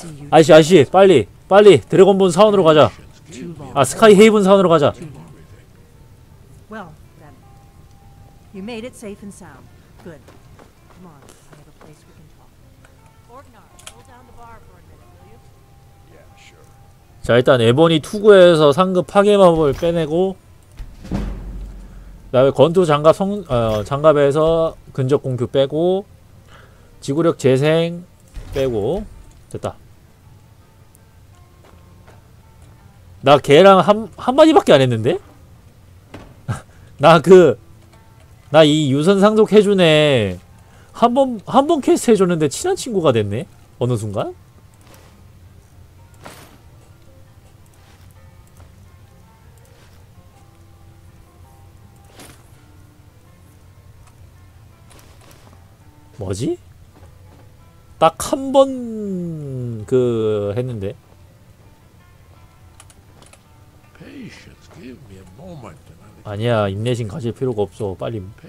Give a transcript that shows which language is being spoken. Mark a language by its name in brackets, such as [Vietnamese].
[Korean] 아저씨, 빨리 드래곤본 사원으로 가자. 아, 스카이 헤이븐 사원으로 가자. [English] Well, then. You made it safe and sound. Good. Come on. I have a place we can talk. Orgnar, hold down the bar for a minute, will you? Yeah, sure. [Korean] 자, 일단 에보니 투구에서 상급 파괴 마법을 빼내고 다음에 권투 장갑 장갑에서 근접 공격 빼고 지구력 재생 빼고 됐다. 나 걔랑 한 마디밖에 안 했는데? 나 이 유선 상속 해준 애 한 번 퀘스트 해줬는데 친한 친구가 됐네 어느 순간. 뭐지? 딱 한 번 그 했는데. [English] Patience, give me a moment. [Korean] 아니야, 인내심 가질 필요가 없어. 빨리.